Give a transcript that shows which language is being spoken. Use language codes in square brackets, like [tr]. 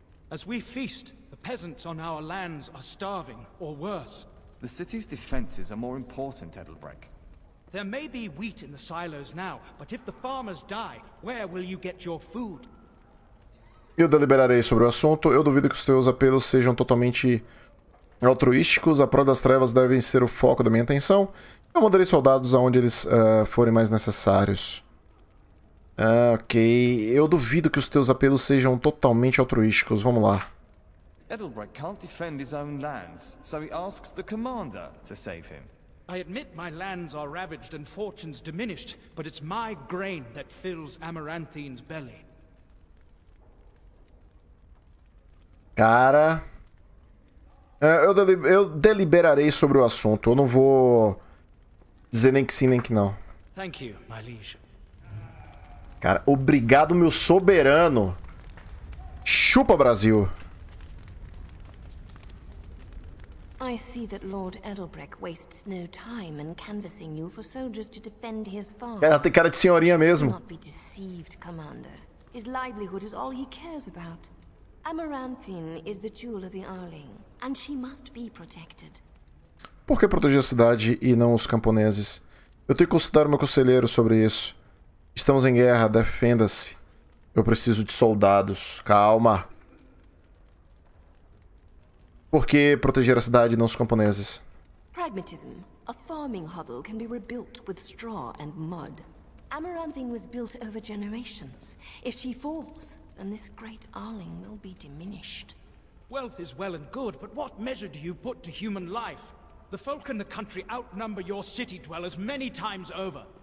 [en] As we feast, the peasants on our lands are starving, or worse. The city's defenses are more important, Edelbreck. There may be wheat in the silos now, but if the farmers die, where will you get your food? [pt] Eu deliberarei sobre o assunto. Eu duvido que os teus apelos sejam totalmente altruísticos. A prova das trevas deve ser o foco da minha atenção. Eu mandarei soldados aonde eles forem mais necessários. Ok. Eu duvido que os teus apelos sejam totalmente altruísticos. Vamos lá. [en] Edelbreck can't defend his own lands, so he asks the commander to save him. I admit my lands are ravaged and fortunes diminished, but it's my grain that fills Amaranthine's belly. [pt] Cara, eu deliberarei sobre o assunto. Eu não vou dizer nem que sim nem que não. [en] Thank you, my liege. [pt] Cara, obrigado, meu soberano. Chupa, Brasil. [en] I see that Lord Edelbreck wastes no time in canvassing you for soldiers to defend his farm. [pt] Ela tem cara de senhorinha mesmo. [en] Do not be deceived, Commander. His livelihood is all he cares about. Amaranthine is the jewel of the Arling, and she must be protected. [pt] Por que proteger a cidade e não os camponeses? Eu tenho que consultar o meu conselheiro sobre isso. Estamos em guerra, defenda-se. Eu preciso de soldados. Calma. Por que proteger a cidade e não os camponeses? [en] Pragmatism. A farming hovel can be rebuilt with straw and mud. Amaranthine was built over generations. If she falls, then this great Arling will be diminished. Wealth is well and good, but what measure do you put to human life? The folk in the country outnumber your city dwellers many times over.